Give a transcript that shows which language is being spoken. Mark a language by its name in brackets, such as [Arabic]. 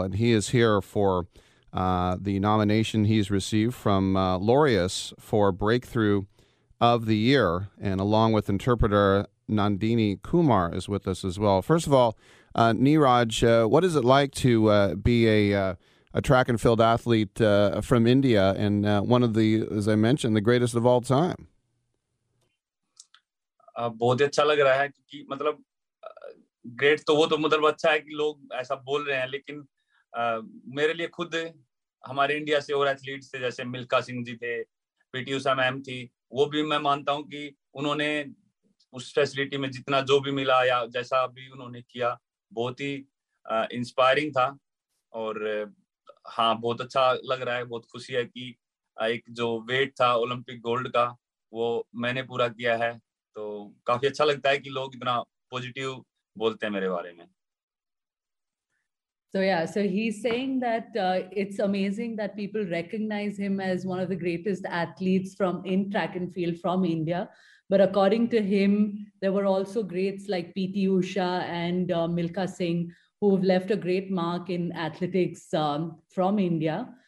[English] And he is here for the nomination he's received from Laureus for Breakthrough of the Year. And along with interpreter Nandini Kumar is with us as well. First of all, Neeraj, what is it like to be a track and field athlete from India and one of the, as I mentioned, the greatest of all time? [Hindi] बहुत अच्छा लग रहा है क्योंकि मतलब great तो वो तो मतलब अच्छा है कि लोग ऐसा बोल रहे हैं लेकिन मेरे लिए खुद हमारे इंडिया से और एथलीट्स थे जैसे मिल्खा सिंह जी थे पीटी उषा मैम थी वो भी मैं मानता हूं कि उन्होंने उस फैसिलिटी में जितना जो भी मिला या जैसा भी उन्होंने किया बहुत ही इंस्पायरिंग था और हाँ बहुत अच्छा लग रहा है बहुत खुशी है कि एक जो वेट था ओलंपिक गोल्ड का वो मैंने पूरा किया है तो काफी अच्छा लगता है कि लोग इतना पॉजिटिव बोलते हैं मेरे बारे में [English] So yeah, so he's saying that it's amazing that people recognize him as one of the greatest athletes from in track and field from India. But according to him, there were also greats like P.T. Usha and Milkha Singh who have left a great mark in athletics from India.